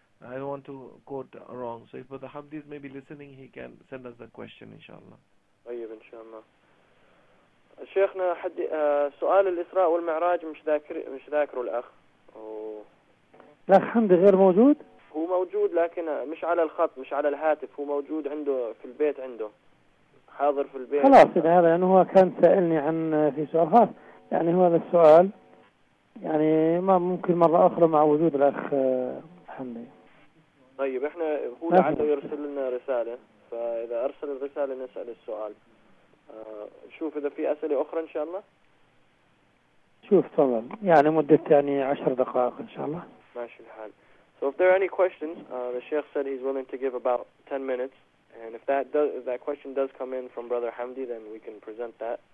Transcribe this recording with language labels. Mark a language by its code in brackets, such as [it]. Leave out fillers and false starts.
[en] I don't want to quote wrong. So if Brother Hamdi is maybe listening, he can send us the question, inshallah. [ar] طيب ان شاء الله. شيخنا حد سؤال الإسراء والمعراج مش ذاكره الأخ. الأخ حمدي غير موجود؟ هو موجود لكن مش على الخط، مش على الهاتف، هو موجود عنده في البيت، عنده حاضر في البيت. خلاص إذا هذا، لأنه هو كان سألني عن في سؤال خاص، يعني هو هذا السؤال يعني ما ممكن مرة أخرى مع وجود الأخ حمدي. طيب احنا هو لعله يرسل لنا رسالة، فإذا أرسل الرسالة نسأل السؤال. شوف إذا في أسئلة أخرى إن شاء الله. شوف تفضل، يعني مدة يعني 10 دقائق إن شاء الله. ماشي الحال. [en] So if there are any questions, the Sheikh said he's willing to give about 10 minutes. And if that question does come in from Brother Hamdi, then we can present that.